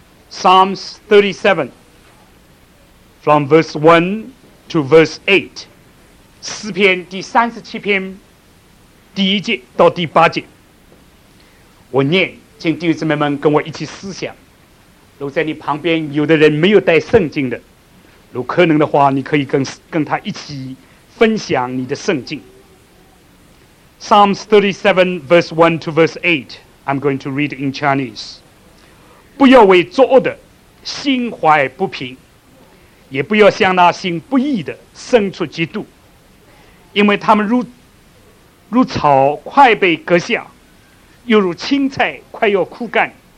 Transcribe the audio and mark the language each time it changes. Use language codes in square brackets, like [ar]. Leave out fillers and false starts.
[en] Psalms 37 from verse 1 to verse 8， [zh] 诗篇第37篇第一节到第八节，我念，请弟兄姊妹们跟我一起思想。如果在你旁边有的人没有带圣经的，如果可能的话，你可以跟他一起分享你的圣经。 [en] Psalms 37 verse 1 to verse 8， I'm going to read in Chinese。 [zh] 不要为作恶的心怀不平，也不要向那行不义的生出嫉妒，因为他们如草快被割下，又如青菜快要枯干。